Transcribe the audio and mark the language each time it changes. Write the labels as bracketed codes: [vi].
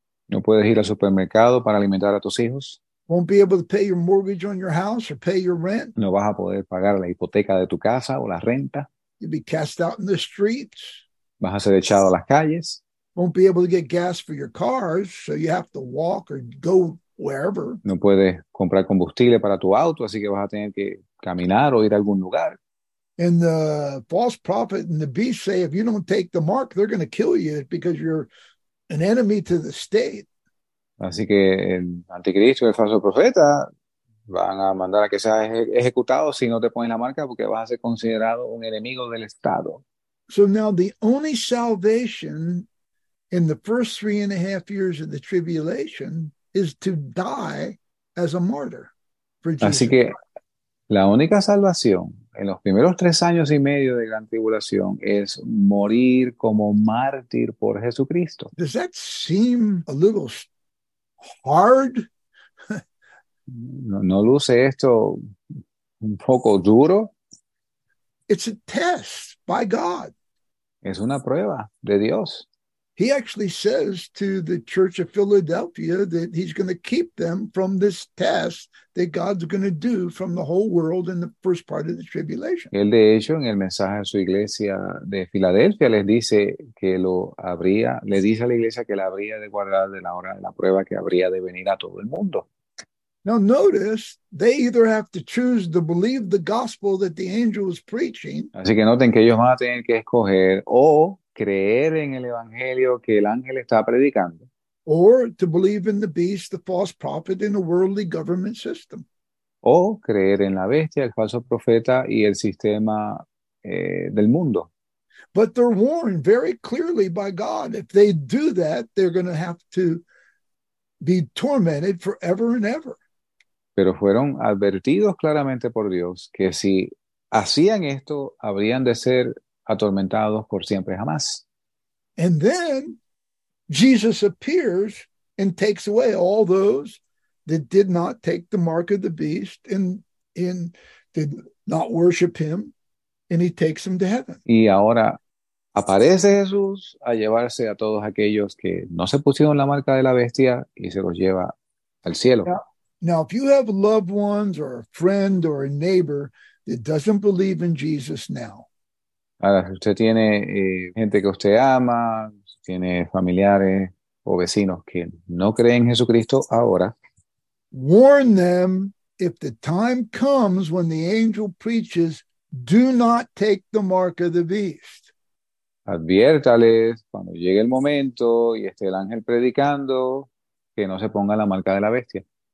[es] No puedes ir al supermercado para alimentar a tus hijos. [en] Won't be able to pay your mortgage on your house or pay your rent. [es] No vas a poder pagar la hipoteca de tu casa o la renta. [en] You'll be cast out in the streets. [es] Vas a ser echado a las calles. [en] Won't be able to get gas for your cars, so you have to walk or go wherever. [es] No puedes comprar combustible para tu auto, así que vas a tener que caminar o ir a algún lugar. [en] And the false prophet and the beast say, if you don't take the mark, they're going to kill you because you're an enemy to the state. [es] Así que el anticristo y el falso profeta van a mandar a que seas ejecutado si no te pones la marca porque vas a ser considerado un enemigo del Estado. [en] So now the only salvation in the first 3.5 years of the tribulation is to die as a martyr for Jesus. [es] Así que la única salvación en los primeros 3 años y medio de gran tribulación es morir como mártir por Jesucristo. [en] Does that seem a little hard? [es] ¿No luce esto un poco duro? [en] It's a test by God. [es] Es una prueba de Dios. [en] He actually says to the church of Philadelphia that he's going to keep them from this test that God's going to do from the whole world in the first part of the tribulation. [es] Él, de hecho, en el mensaje a su iglesia de Filadelfia, les dice que lo habría, le dice a la iglesia que la habría de guardar de la hora de la prueba que habría de venir a todo el mundo. [en] Now notice, they either have to choose to believe the gospel that the angel is preaching. [es] Así que noten que ellos van a tener que escoger o creer en el evangelio que el ángel está predicando. [en] Or to believe in the beast, the false prophet, in a worldly government system. [es] O creer en la bestia, el falso profeta y el sistema del mundo. [en] But they're warned very clearly by God. If they do that, they're going to have to be tormented forever and ever. [es] Pero fueron advertidos claramente por Dios que si hacían esto, habrían de ser atormentados por siempre jamás. [en] And then Jesus appears and takes away all those that did not take the mark of the beast and did not worship him, and he takes them to heaven. [es] Y ahora aparece Jesús a llevarse a todos aquellos que no se pusieron la marca de la bestia y se los lleva al cielo. [en] Now if you have loved ones or a friend or a neighbor that doesn't believe in Jesus now. [es] Ahora, si usted tiene gente que usted ama, tiene familiares o vecinos que no creen en Jesucristo ahora. [en] Warn them if the time comes when the angel preaches, Do not take the mark of the beast. [es] Adviértales cuando llegue el momento y esté el ángel predicando que no se ponga la marca de la bestia.